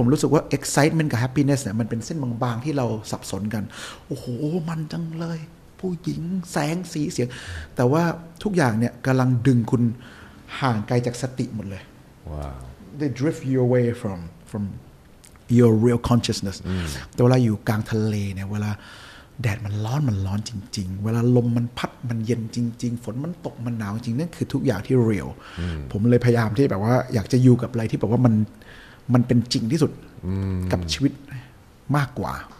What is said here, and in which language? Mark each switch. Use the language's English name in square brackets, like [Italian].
[Thai] แล้วผมรู้สึกว่า excitement กับ happiness เนี่ยมันเป็นเส้นบางๆที่เราสับสนกันโอ้โหมันจังเลยผู้หญิงแสงสีเสียงแต่ว่าทุกอย่างเนี่ยกำลังดึงคุณห่างไกลจากสติหมดเลย [English] wow. they drift you away from your real consciousness mm. [Thai] แต่เวลาอยู่กลางทะเลเนี่ยเวลาแดดมันร้อนจริงๆเวลาลมมันพัดมันเย็นจริงๆฝนมันตกมันหนาวจริงนั่นคือทุกอย่างที่เรียลผมเลยพยายามที่แบบว่าอยากจะอยู่กับอะไรที่แบบว่ามันเป็นจริงที่สุดกับชีวิตมากกว่า